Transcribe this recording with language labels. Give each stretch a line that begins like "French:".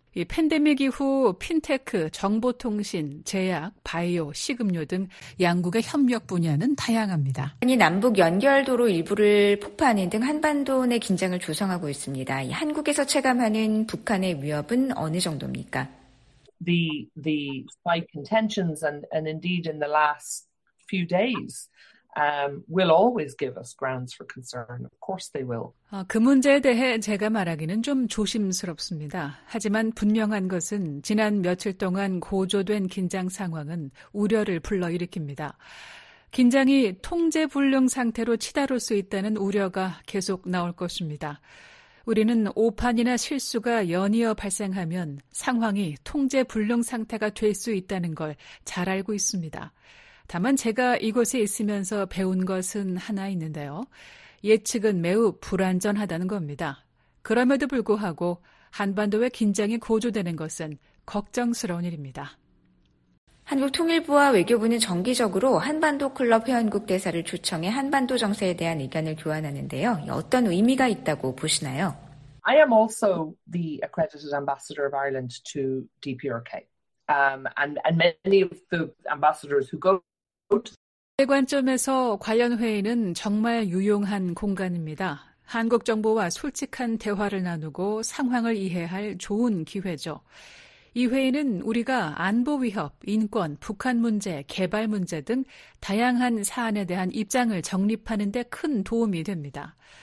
Korean: 이 팬데믹 이후 핀테크, 정보통신, 제약, 바이오, 식음료 등 양국의 협력 분야는 다양합니다. 이 남북 연결도로 일부를 폭파하는 등 한반도 내 긴장을 조성하고 있습니다. 이 한국에서 체감하는 북한의 위협은 어느 정도입니까?
English: The spike in tensions and indeed in the last few days will always give us grounds for concern. Of course they will.
Korean: 그 문제에 대해 제가 말하기는 좀 조심스럽습니다. 하지만 분명한 것은 지난 며칠 동안 고조된 긴장 상황은 우려를 불러일으킵니다. 긴장이 통제 불능 상태로 치달을 수 있다는 우려가 계속 나올 것입니다. 우리는 오판이나 실수가 연이어 발생하면 상황이 통제 불능 상태가 될 수 있다는 걸 잘 알고 있습니다. 다만 제가 이곳에 있으면서 배운 것은 하나 있는데요. 예측은 매우 불완전하다는 겁니다. 그럼에도 불구하고 한반도의 긴장이 고조되는 것은 걱정스러운 일입니다. 한국 통일부와 외교부는 정기적으로 한반도 클럽 회원국 대사를 초청해 한반도 정세에 대한 의견을 교환하는데요. 어떤 의미가 있다고 보시나요?
English: I am also the accredited ambassador of Ireland to DPRK. And many of the ambassadors who go to
Korean: 관점에서 관련 회의는 정말 유용한 공간입니다. 한국 정부와 솔직한 대화를 나누고 상황을 이해할 좋은 기회죠. 이 회의는 우리가 안보 위협, 인권, 북한 문제, 개발 문제 등 다양한 사안에 대한 입장을 정립하는 데 큰 도움이 됩니다.